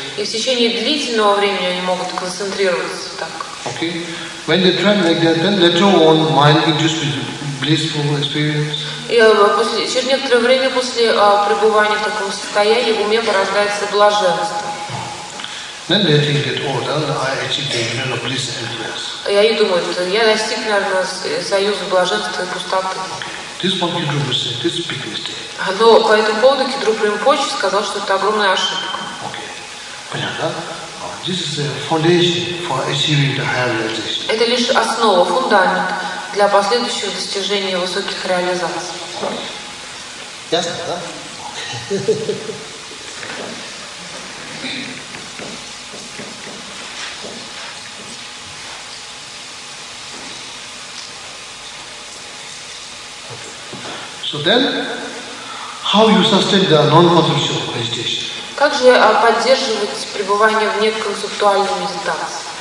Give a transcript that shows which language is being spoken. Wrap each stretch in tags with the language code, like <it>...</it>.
<ru>И в течение длительного времени они могут концентрироваться так.</ru> <en>Okay. When they train like that, then let your own mind induce blissful experience.</en> <ru>И через некоторое время после пребывания в таком состоянии в уме порождается блаженство.</ru> <en>Then they think that, oh, then I achieved the union of bliss and bliss.</en> <ru>И они думают, я достиг, наверное, союза блаженства и пустоты.</ru> <en>This one Кедру Ринпоче said, this is a big mistake.</en> <ru>Но по этому поводу Кедру Ринпоче сказал, что это огромная ошибка.</ru> <en>Okay.</en> <ru>Понятно?</ru> <en>This is a foundation for achieving the higher realization.</en> <ru>Это лишь основа, фундамент для последующего достижения высоких реализаций. Ясно, да?</ru> <en>So then, how you sustain the non-conceptual meditation?</en> <ru>Как же поддерживать пребывание в неконцептуальной медитации?</ru>